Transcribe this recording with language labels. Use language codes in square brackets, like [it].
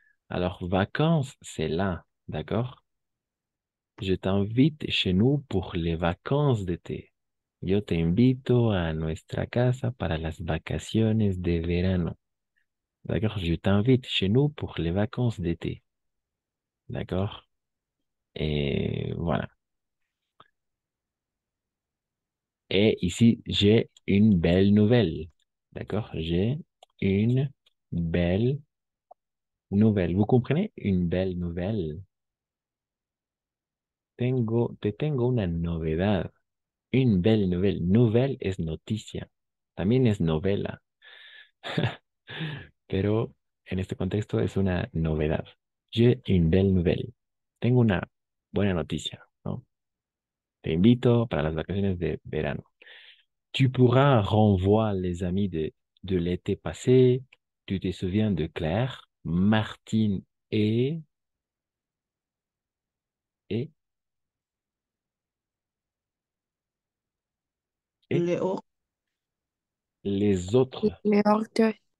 [fr] Alors, vacances, c'est là, d'accord? Je t'invite chez nous pour les vacances d'été. [es] Yo te invito a nuestra casa para las vacaciones de verano. [fr] D'accord? Je t'invite chez nous pour les vacances d'été. D'accord? Et voilà. Et ici, j'ai une belle nouvelle. D'accord? J'ai une belle nouvelle. Vous comprenez? Une belle nouvelle. [es] Te tengo una novedad. [fr] Une belle nouvelle. [es] Nouvelle es noticia. También es novela. Pero en este contexto es una novedad. [fr] J'ai une belle nouvelle. [es] Tengo una buena noticia, ¿no? Te invito para las vacaciones de verano. [fr] Tu pourras renvoyer les amis de l'été passé. Tu te souviens de Claire, Martine et Léo. Léo.